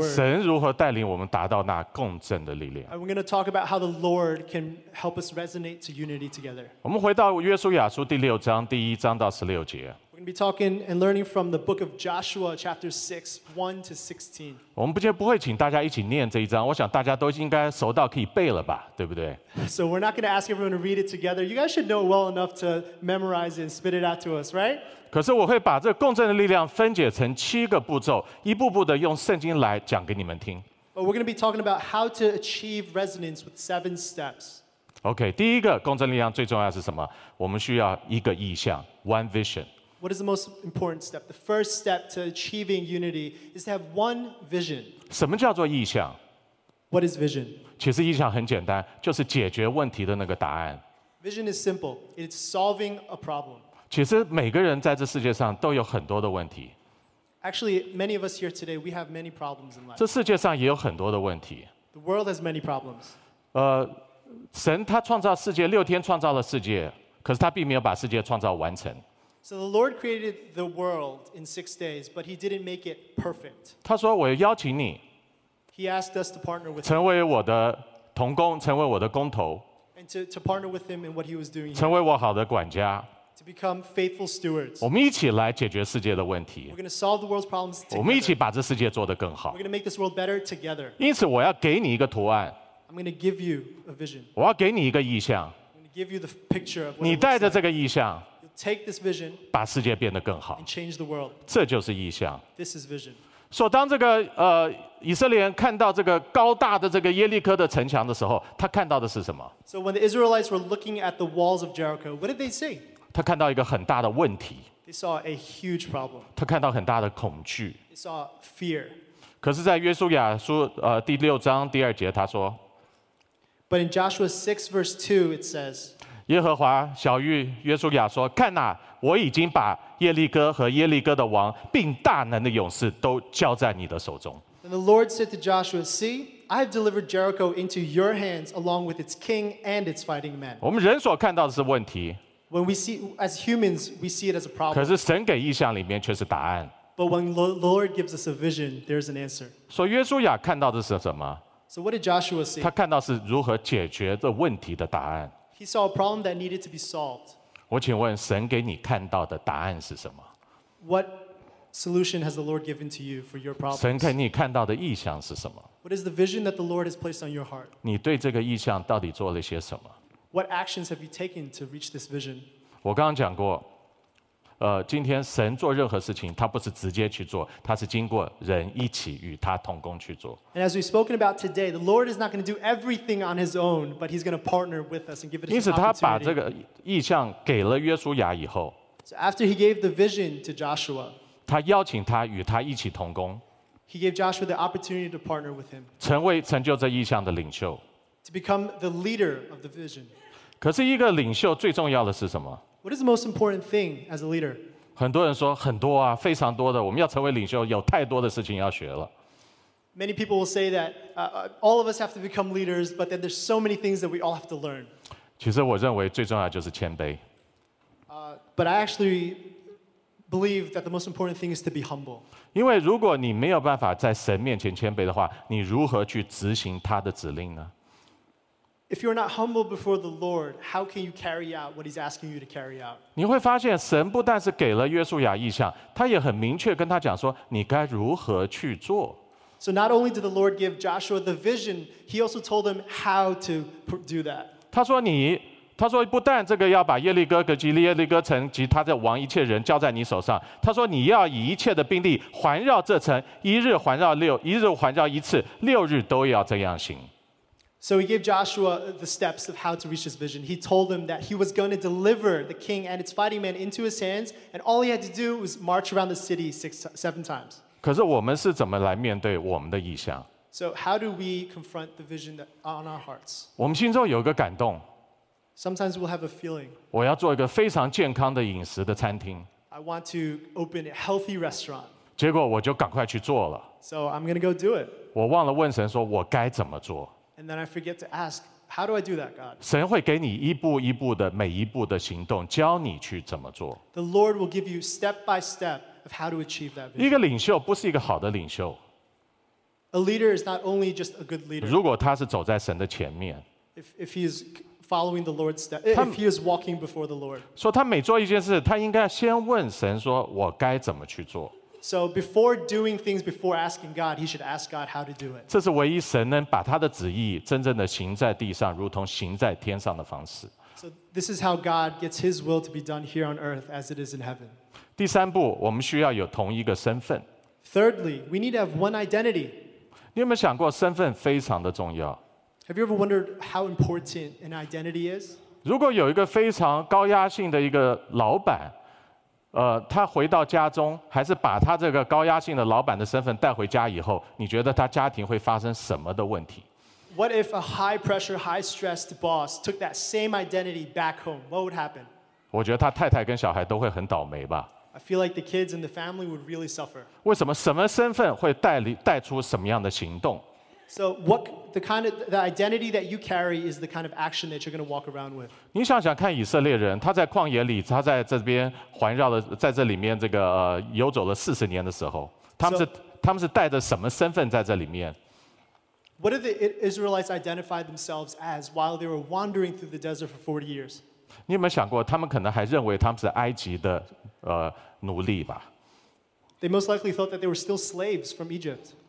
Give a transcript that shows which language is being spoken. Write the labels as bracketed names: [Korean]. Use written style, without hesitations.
[Chinese] 看神如何带领我们达到那共振的力量。 [English] And we're going to talk about how the Lord can help us resonate to unity together. [Chinese] 我们回到约书亚书第六章第一章到十六节。 [English] We're going to be talking and learning from the book of Joshua, chapter 6, 1 to 16. [Chinese] 我们不会请大家一起念这一章，我想大家都应该熟到可以背了吧，对不对？ [English] So we're not going to ask everyone to read it together. You guys should know well enough to memorize it and spit it out to us, right? [Chinese] 可是我会把这共振的力量分解成七个步骤，一步步的用圣经来讲给你们听。 [English] But we're going to be talking about how to achieve resonance with 7 steps. [Chinese] Okay, 第一个共振力量最重要是什么？我们需要一个意向 ， [English] one vision. What is the most important step? The first step to achieving unity is to have one vision. [Chinese] 什么叫做意向？ [English] What is vision? [Chinese] 其实意向很简单，就是解决问题的那个答案。 [English] Vision is simple. It's solving a problem. [Chinese] 其实每个人在这世界上都有很多的问题。 [English] Actually, many of us here today, we have many problems in life. [Chinese] 这世界上也有很多的问题。 [English] The world has many problems. [Chinese] 神他创造世界，六天创造了世界，可是他并没有把世界创造完成。 [English] So the Lord created the world in 6 days, but He didn't make it perfect. [Chinese] 他说我邀请你 [English] He asked us to partner with Him. [Chinese] 成为我的同工，成为我的工头 [English] And to partner with Him in what He was doing. [Chinese] 成为我好的管家 [English] To become faithful stewards. [Chinese] 我们一起来解决世界的问题。 [English] We're going to solve the world's problems together. [Chinese] 我们一起把这世界做得更好。 [English] We're going to make this world better together. [Chinese] 因此，我要给你一个图案。 [English] I'm going to give you a vision. [Chinese] 我要给你一个意象。 [English] I'm going to give you the picture of what. [Chinese] 你带着这个意象。 [English] You'll take this vision. [Chinese] 把世界变得更好。 [English] And change the world. [Chinese] 这就是意象。 [English] This is vision. [Chinese] 所以当这个以色列人看到这个高大的这个耶利哥的城墙的时候，他看到的是什么？ [English] So when the Israelites were looking at the walls of Jericho, what did they see? [Chinese] 他看到一个很大的问题。 [English] They saw a huge problem. [Chinese] 他看到很大的恐惧。 [English] They saw fear. [Chinese] 可是在约书亚书第六章第二节他说。 [English] But in Joshua 6 verse 2 it says, [Chinese] 耶和华晓谕约书亚说，看哪，我已经把耶利哥和耶利哥的王并大能的勇士都交在你的手中。 [English] And the Lord said to Joshua, See, I have delivered Jericho into your hands along with its king and its fighting men. [Chinese] 我们人所看到的是问题。 [English] When we see, as humans, we see it as a problem. [Chinese] 可是神给意象里面却是答案。 [English] But when the Lord gives us a vision, there is an answer. [Chinese] 所以约书亚看到的是什么？ [English] So what did Joshua see? [Chinese] 他看到是如何解决这问题的答案。 [English] He saw a problem that needed to be solved. [Chinese] 我请问，神给你看到的答案是什么？ [English] What solution has the Lord given to you for your problems? [Chinese] 神给你看到的意象是什么？ [English] What is the vision that the Lord has placed on your heart? [Chinese] 你对这个意象到底做了些什么？ [English] What actions have you taken to reach this vision? [Chinese] 我刚刚讲过，今天神做任何事情，他不是直接去做，他是经过人一起与他同工去做。 [English] And as we've spoken about today, the Lord is not going to do everything on his own, but he's going to partner with us and give it an opportunity. [Chinese] 因此，他把这个意象给了约书亚以后 [English] ，So after he gave the vision to Joshua, [Chinese] 他邀请他与他一起同工 [English] ，He gave Joshua the opportunity to partner with him, [Chinese] 成为成就这意象的领袖 [English] ，To become the leader of the vision. [Chinese] 可是，一个领袖最重要的是什么？ [English] What is the most important thing as a leader? [Chinese] 很多人说很多啊，非常多的。我们要成为领袖，有太多的事情要学了。 [English] Many people will say that all of us have to become leaders, but then there's so many things that we all have to learn. [Chinese] 其实我认为最重要就是谦卑。 [English] But I actually believe that the most important thing is to be humble. [Chinese] 因为如果你没有办法在神面前谦卑的话，你如何去执行他的指令呢？ [English] If you're not humble before the Lord, how can you carry out what He's asking you to carry out? [Chinese] 你会发现，神不但是给了约书亚意象，他也很明确跟他讲说，你该如何去做。 [English] So not only did the Lord give Joshua the vision, He also told him how to do that. [Chinese] 他说不但这个要把耶利哥和基利耶利哥城及他的王一切人交在你手上，他说你要以一切的兵力环绕这城，一日环绕六，一日环绕一次，六日都要这样行。 [English] So he gave Joshua the steps of how to reach his vision. He told him that he was going to deliver the king and its fighting men into his hands, and all he had to do was march around the city seven times. [Chinese] 可是我们是怎么来面对我们的意象？ [English] So how do we confront the vision on our hearts? [Chinese] 我们心中有一个感动。 [English] Sometimes we'll have a feeling. [Chinese] 我要做一个非常健康的饮食的餐厅。 [English] I want to open a healthy restaurant. [Chinese] 结果我就赶快去做了。 [English] So I'm going to go do it. [Chinese] 我忘了问神说我该怎么做。 [English] And then I forget to ask, how do I do that, God? [Chinese] 神会给你一步一步的每一步的行动，教你去怎么做。 [English] The Lord will give you step by step of how to achieve that vision. [Chinese] 一个领袖不是一个好的领袖。 [English] A leader is not only just a good leader. [Chinese] 如果他是走在神的前面。 [English] If he is following the Lord's step, if he is walking before the Lord. [Chinese] 所以他每做一件事，他应该先问神说，我该怎么去做。 [English] So before doing things, before asking God, he should ask God how to do it. [Chinese] 这是唯一神能把他的旨意真正的行在地上，如同行在天上的方式。 [English] So this is how God gets His will to be done here on earth as it is in heaven. [Chinese] 第三步，我们需要有同一个身份。 [English] Thirdly, we need to have one identity. [Chinese] 你有没有想过身份非常的重要？ [English] Have you ever wondered how important an identity is? [Chinese] 如果有一个非常高压性的一个老板。他回到家中，还是把他这个高压性的老板的身份带回家以后，你觉得他家庭会发生什么的问题 [English] ？What if a high pressure, high stressed boss took that same identity back home? What would happen? [Chinese] 我觉得他太太跟小孩都会很倒霉吧。 [English] I feel like the kids and the family would really suffer. [Chinese] 为什么？什么身份会带出什么样的行动 [English] ？So what the kind of the identity that you carry is the kind of action that you're going to walk around with. [Chinese] 你想想看，以色列人他在旷野里，他在这边环绕的，在这里面这个游走了四十年的时候，他们是带着什么身份在这里面 [English] ？What did the Israelites identify themselves as while they were wandering through the desert for 40 years? [Chinese] 你有没有想过，他们可能还认为他们是埃及的奴隶吧？ [English] They most likely thought that they were still slaves from Egypt.